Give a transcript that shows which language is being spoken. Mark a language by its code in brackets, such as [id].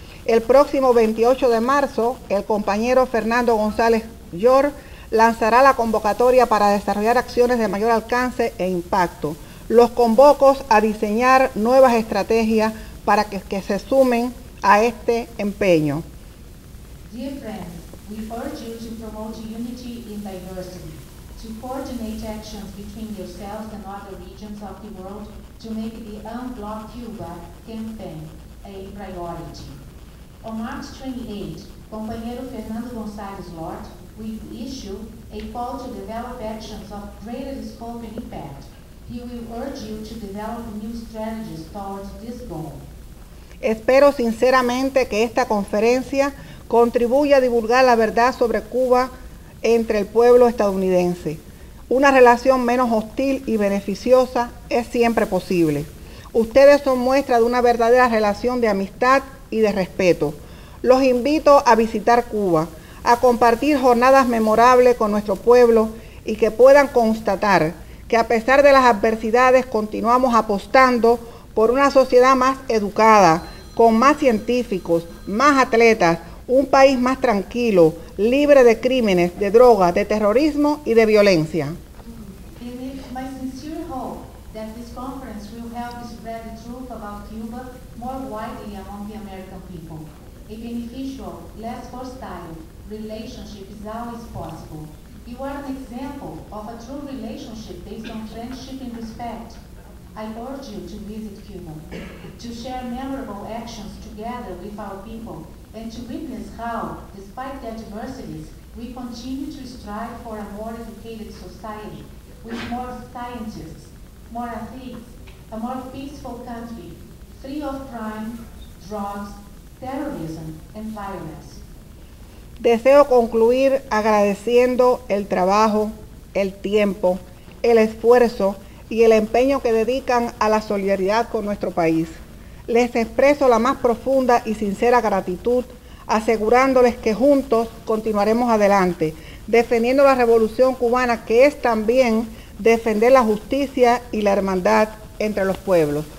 [es] El próximo 28 de marzo, el compañero Fernando González Llor lanzará la convocatoria para desarrollar acciones de mayor alcance e impacto. Los convoco a diseñar nuevas estrategias para que se sumen a este empeño. [en] Dear friends, we urge you to promote unity in diversity, to coordinate actions between yourselves and other regions of the world to make the Unblock Cuba campaign a priority. On March 28, Compañero Fernando González Lort will issue a call to develop actions of greater scope and impact. He will urge you to develop new strategies towards this goal. [es] Espero sinceramente que esta conferencia contribuya a divulgar la verdad sobre Cuba entre el pueblo estadounidense. Una relación menos hostil y beneficiosa es siempre posible. Ustedes son muestra de una verdadera relación de amistad y de respeto. Los invito a visitar Cuba, a compartir jornadas memorables con nuestro pueblo y que puedan constatar que a pesar de las adversidades continuamos apostando por una sociedad más educada, con más científicos, más atletas, un país más tranquilo, libre de crímenes, de drogas, de terrorismo y de violencia. [en] It is my sincere hope that this conference will help spread the truth about Cuba more widely among the American people. A beneficial, less hostile relationship is always possible. You are an example of a true relationship based on friendship and respect. I urge you to visit Cuba, to share memorable actions together with our people, and to witness how, despite the adversities, we continue to strive for a more educated society, with more scientists, more athletes, a more peaceful country, free of crime, drugs, terrorism, and violence. [es] Deseo concluir agradeciendo el trabajo, el tiempo, el esfuerzo, y el empeño que dedican a la solidaridad con nuestro país. Les expreso la más profunda y sincera gratitud, asegurándoles que juntos continuaremos adelante, defendiendo la revolución cubana, que es también defender la justicia y la hermandad entre los pueblos.